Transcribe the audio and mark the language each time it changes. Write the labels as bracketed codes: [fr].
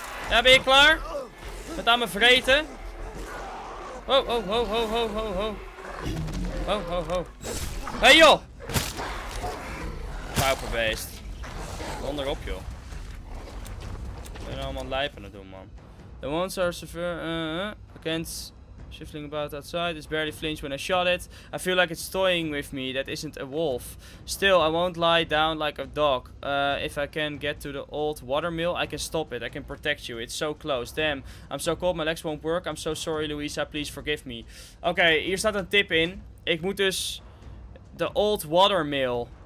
[nl] Ja, ben je klaar? Met aan mijn vreten? Ho, ho, ho, ho, ho, ho, ho. Ho, ho, ho. Hé, joh. pauperbeest. Donder op, joh. We zijn allemaal lijp aan het doen, man. [en] The ones are severe, against shuffling about outside. It's barely flinched when I shot it. I feel like it's toying with me. That isn't a wolf. Still, I won't lie down like a dog. If I can get to the old watermill, I can stop it. I can protect you. It's so close. Damn, I'm so cold. My legs won't work. I'm so sorry, Louisa. Please forgive me. [nl] Okay, hier staat een tip in. Ik moet dus de [en] old watermill.